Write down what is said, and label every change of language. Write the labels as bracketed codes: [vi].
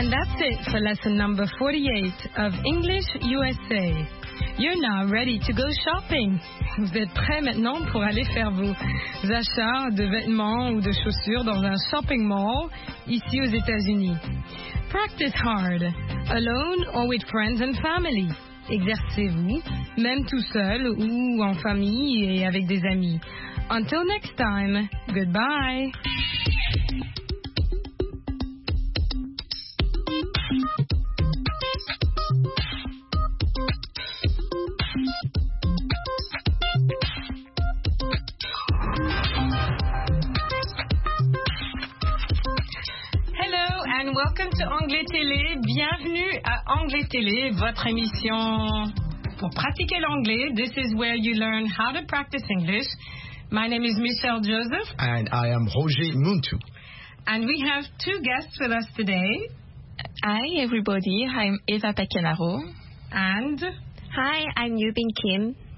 [en] That's it for lesson number 48 of English USA. You're now ready to go shopping. [fr] Vous êtes prêts maintenant pour aller faire vos achats de vêtements ou de chaussures dans un shopping mall ici aux États-Unis. [en] Practice hard, alone or with friends and family. [fr] Exercez-vous, même tout seul ou en famille et avec des amis. [en] Until next time, goodbye. Welcome to [fr] Anglais Télé, bienvenue à Anglais Télé, votre émission pour pratiquer l'anglais. [en] This is where you learn how to practice English. My name is Michelle Joseph. And I am Roger Muntu. And we have two guests with us today. Hi everybody, I'm Eva Pacchianaro. And? Hi, I'm Yubin Kim.